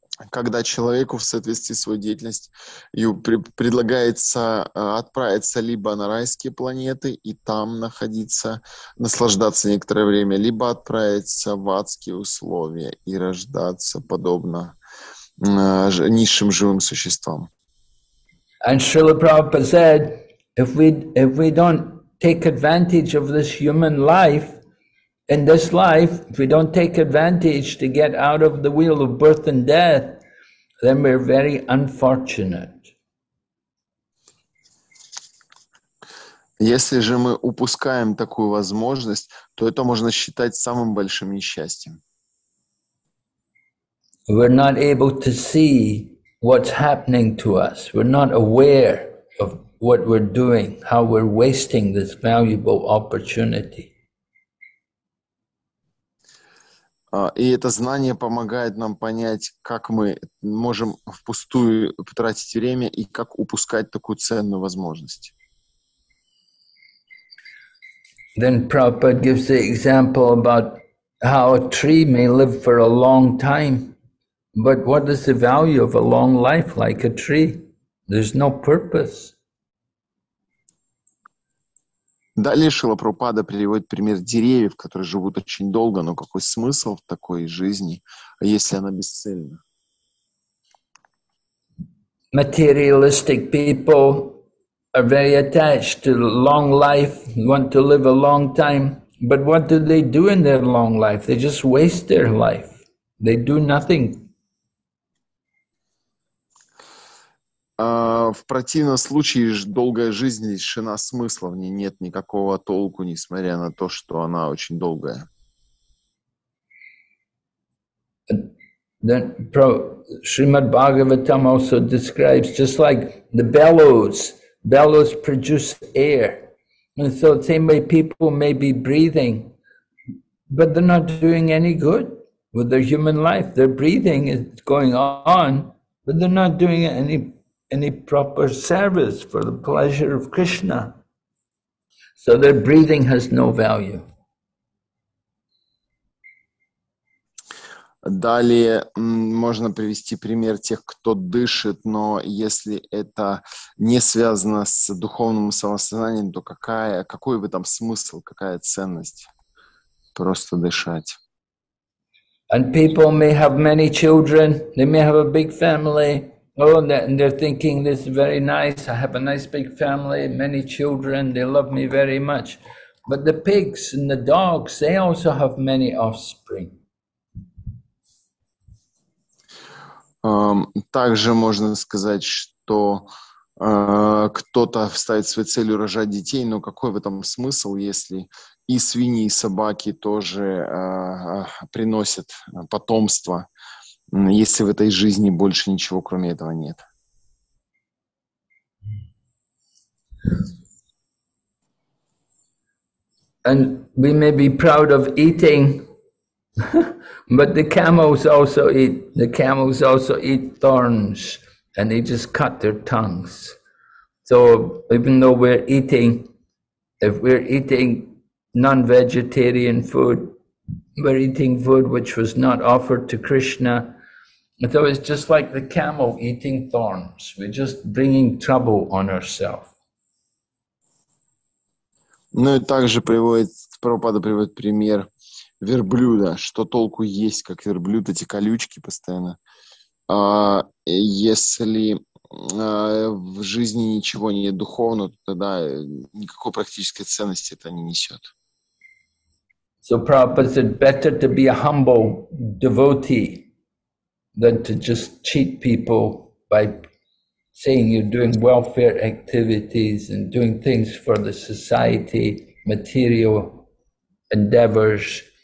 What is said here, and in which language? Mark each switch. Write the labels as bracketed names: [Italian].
[Russian] Когда человеку в соответствии с своей деятельностью предлагается отправиться либо на райские планеты и там находиться, наслаждаться некоторое время, либо отправиться в адские условия и рождаться подобно низшим живым существам. [English] And Srila Prabhupada said, if we don't take advantage of this human life, in this life, if we don't take advantage to get out of the wheel of birth and death, then we're very unfortunate. [Russian] Если же мы упускаем такую возможность, то это можно считать самым большим несчастьем. [English] We're not able to see what's happening to us. We're not aware of what we're doing, how we're wasting this valuable opportunity. [Russian] И это знание помогает нам понять, как мы можем впустую потратить время и как упускать такую ценную возможность. [English] Then Prabhupada gives the example about how a tree may live for a long time, but what is the value of a long life like a tree? There's no purpose. [Russian] Далее Шрила Прабхупада приводит пример деревьев, которые живут очень долго, но какой смысл в такой жизни, если она бесцельна? [English] Materialistic people are very attached to long life, want to live a long time, but what do they do in their long life? They just waste their life. They do nothing. [Russian] В противном случае долгая жизнь лишена смысла, в ней нет никакого толку, несмотря на то, что она очень долгая. [English] Then Srimad Bhagavatam also describes, just like the bellows, bellows produce air. And so the same way people may be breathing, but they're not doing any good with their human life. Their breathing is going on, but they're not doing any proper service for the pleasure of Krishna. So their breathing has no value. [Russian] Далее можно привести пример тех, кто дышит, но если это не связано с духовным самосознанием, то какой в этом смысл, какая ценность просто дышать? [English] And people may have many children, they may have a big family. Oh, and they're thinking this is very nice. I have a nice big family, many children. They love me very much. But the pigs and the dogs, they also have many offspring. [Russian] Также можно сказать, что кто-то ставит своей целью рожать детей, но какой в этом смысл, если и свиньи, и собаки тоже приносят потомство? Если в этой жизни больше ничего, кроме этого, нет. [English] And we may be proud of eating, but the camels also eat thorns, and they just cut their tongues. So even though we're eating, if we're eating non-vegetarian food, we're eating food which was not offered to Krishna. So it's just like the camel eating thorns. We're just bringing trouble on ourselves. [Russian] Ну и также Прабхупада приводит пример верблюда. Что толку есть, как верблюд, эти колючки постоянно. Если в жизни ничего не духовно, тогда никакой практической ценности это не несет. [English] So Prabhupada said, better to be a humble devotee than to just cheat people by saying you're doing welfare activities and doing things for the society, material endeavors.